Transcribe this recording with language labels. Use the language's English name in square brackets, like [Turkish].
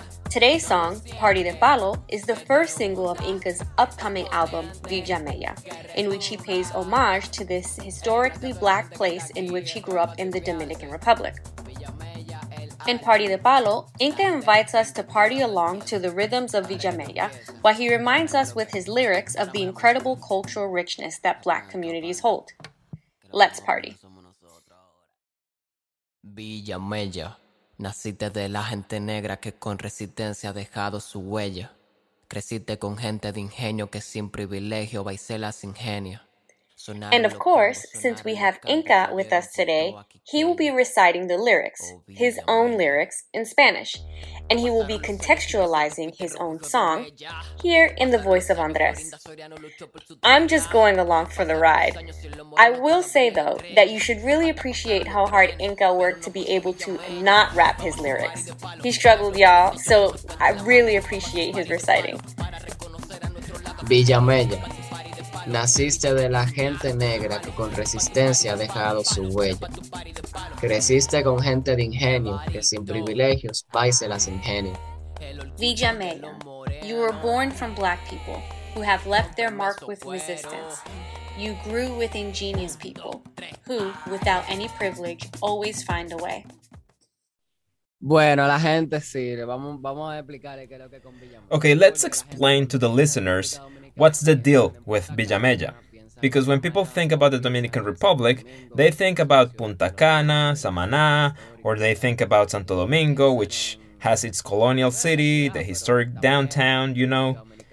[English] Today's song, Party de Palo, is the first single of Inca's upcoming album, Villa Mella, in which he pays homage to this historically black place in which he grew up in the Dominican Republic. In Party de Palo, Inca invites us to party along to the rhythms of Villa Mella, while he reminds us with his lyrics of the incredible cultural richness that black communities hold. Let's party. [Spanish] Villa Mella, naciste de la gente negra que con resistencia ha dejado su huella. Creciste con gente de ingenio que sin privilegio va y se las ingenia. [English] And of course, since we have Inca with us today, he will be reciting the lyrics, his own lyrics, in Spanish. And he will be contextualizing his own song, here in the voice of Andres. I'm just going along for the ride. I will say, though, that you should really appreciate how hard Inca worked to be able to not rap his lyrics. He struggled, y'all, so I really appreciate his reciting. [Spanish] Villa Mella. Naciste de la gente negra que con resistencia ha dejado su huella. Creciste con gente de ingenio que sin privilegios va y se las ingenia. [English] Villa Mella, you were born from black people who have left their mark with resistance. You grew with ingenious people who, without any privilege, always find a way. [Spanish] Bueno, la gente sí. Vamos a explicar qué es lo que con Villa Mella. [English] Okay, let's explain to the listeners. What's the deal with Villa Mella? Because when people think about the Dominican Republic, they think about Punta Cana, Samaná, or they think about Santo Domingo, which has its colonial city, the historic downtown, you know.